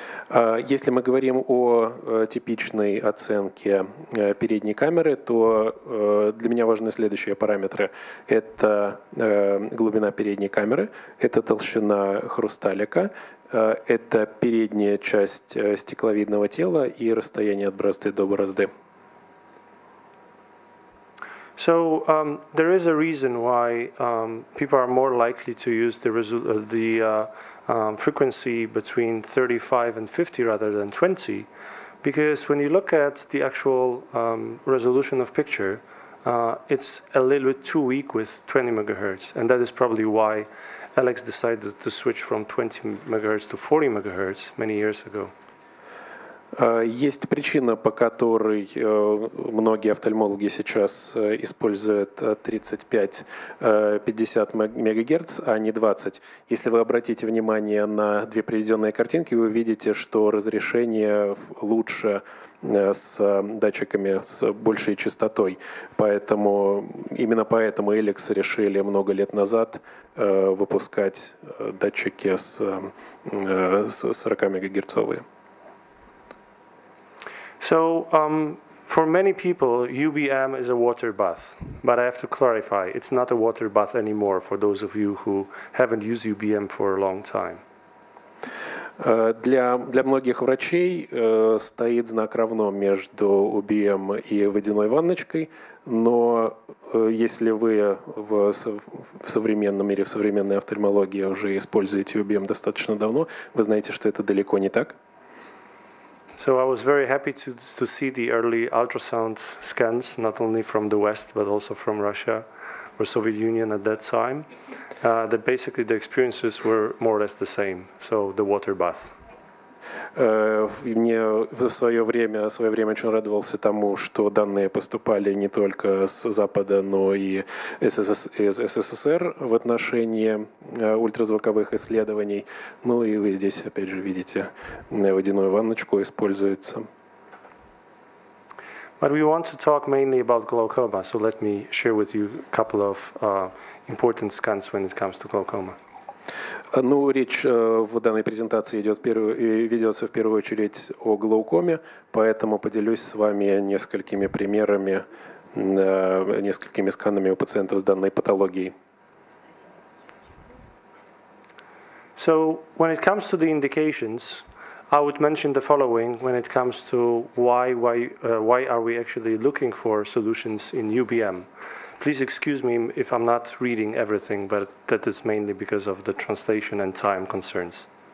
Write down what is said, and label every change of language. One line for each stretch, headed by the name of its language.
Russian: Если мы говорим о типичной оценке передней камеры, то для меня важны следующие параметры. Это глубина передней камеры, это толщина хрусталика, это передняя часть стекловидного тела и расстояние от бразды до бразды.
English: So there is a reason why people are more likely to use the frequency between 35 and 50 rather than 20, because when you look at the actual resolution of picture, it's a little bit too weak with 20 MHz, and that is probably why Alex decided to switch from 20 MHz to 40 MHz many years ago.
Russian: Есть причина, по которой многие офтальмологи сейчас используют 35-50 МГц, а не 20. Если вы обратите внимание на две приведенные картинки, вы увидите, что разрешение лучше с датчиками с большей частотой. Поэтому именно поэтому Elix решили много лет назад выпускать датчики с 40 МГц.
English: So for many people, UBM is a water bath, but I have to clarify, it's not a water bath anymore for those of you who haven't used UBM for a long time.
Russian: Для многих врачей стоит знак равно между UBM и водяной ванночкой, но если вы в современном мире, в современной офтальмологии уже используете UBM достаточно давно, вы знаете, что это далеко не так.
English: So I was very happy to see the early ultrasound scans, not only from the West, but also from Russia or Soviet Union at that time, that basically the experiences were more or less the same, so the water bath.
Russian: Мне в свое время очень радовался тому, что данные поступали не только с Запада, но и из СССР в отношении ультразвуковых исследований. Ну и вы здесь, опять же, видите, водяную ванночку используется.
English: But we want to talk mainly about glaucoma, so let me share with you a couple of important scans when it comes to glaucoma.
Russian: Ну, речь в данной презентации ведется в первую очередь о глаукоме, поэтому поделюсь с вами несколькими примерами, несколькими сканами у пациентов с данной патологией.
English: So, when it comes to the indications, I would mention the following when it comes to why are we actually looking for solutions in UBM. Please excuse me if I'm not reading everything, but that is mainly because of the translation and time concerns.